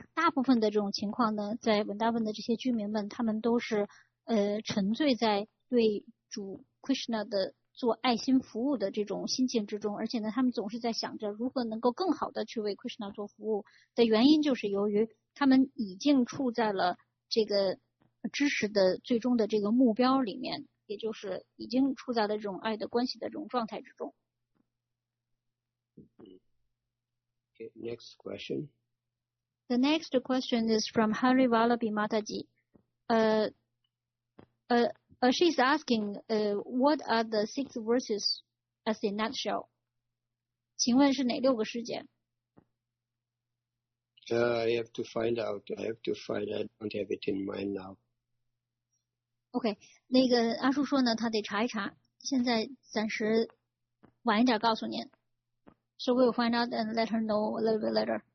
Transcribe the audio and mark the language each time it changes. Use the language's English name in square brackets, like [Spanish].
[Chinese] 大部分的这种情况呢，在文大文的这些居民们，他们都是沉醉在对主 Krishna 的做爱心服务的这种心情之中，而且呢他们总是在想着如何能够更好的去为 Krishna 做服务的原因，就是由于他们已经处在了这个知识的最终的这个目标里面，也就是已经处在了这种爱的关系的这种状态之中。 [English] Okay, next question. The next question is from Hari Vallabhi Mataji. She's asking, what are the six verses as a nutshell? [Chinese] 请问是哪六个诗节？ [English] I have to find out. I have to find. I don't have it in mind now. [Chinese] OK, 那个阿叔说呢，他得查一查，现在暂时晚一点告诉您。 [English] So we'll find out and let her know a little bit later.